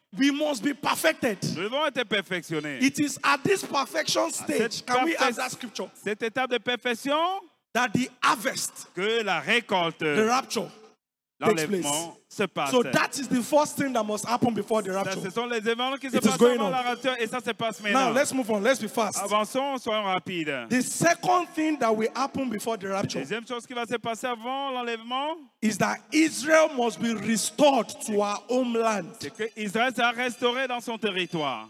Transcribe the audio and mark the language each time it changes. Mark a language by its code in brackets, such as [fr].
[en] We must be perfected. [fr] Nous devons être perfectionnés. [en] It is at this perfection stage. Can we add that scripture? [fr] Cette étape de perfection. [en] That the harvest. [fr] Que la récolte. [en] The rapture. [fr] L'enlèvement se passe. [en] So that is the first thing that must happen before the rapture. [fr] Ce sont les événements qui se passent avant la rapture et ça se passe maintenant. [en] Now let's move on. Let's be fast. [fr] Avançons, soyons rapides. [en] The second thing that will happen before the rapture. [fr] Deuxième chose qui va se passer avant l'enlèvement [en] is that Israel must be restored to our homeland. [fr] C'est que Israël sera restauré dans son territoire.